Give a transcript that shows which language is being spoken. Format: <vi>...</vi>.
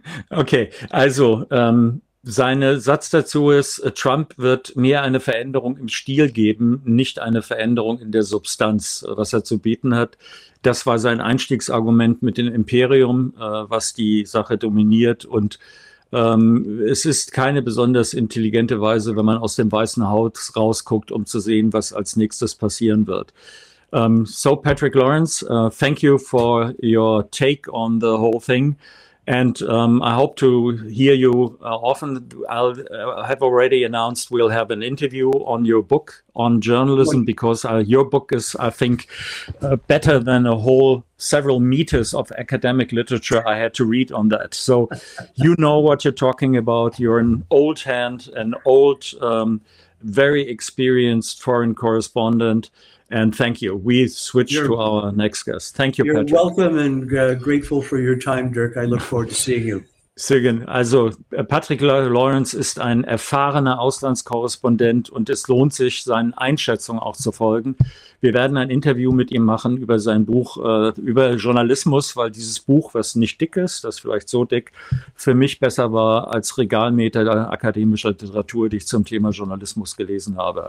<de>Okay, also sein Satz dazu ist, Trump wird mehr eine Veränderung im Stil geben, nicht eine Veränderung in der Substanz, was er zu bieten hat. Das war sein Einstiegsargument mit dem Imperium, was die Sache dominiert. Und es ist keine besonders intelligente Weise, wenn man aus dem Weißen Haus rausguckt, um zu sehen, was als nächstes passieren wird.</de> <en>So, Patrick Lawrence, thank you for your take on the whole thing. And I hope to hear you often. I have already announced we'll have an interview on your book on journalism, because your book is, I think, better than a whole several meters of academic literature I had to read on that. So you know what you're talking about. You're an old hand, an old, very experienced foreign correspondent. And thank you. We switch to our next guest. Thank you, Patrick. You're welcome and grateful for your time, Dirk. I look forward to seeing you.</en> <de>Sehr gerne. Also, Patrick Lawrence ist ein erfahrener Auslandskorrespondent und es lohnt sich, seinen Einschätzungen auch zu folgen. Wir werden ein Interview mit ihm machen über sein Buch, über Journalismus, weil dieses Buch, was nicht dick ist, das vielleicht so dick, für mich besser war als Regalmeter der akademischen Literatur, die ich zum Thema Journalismus gelesen habe.</de>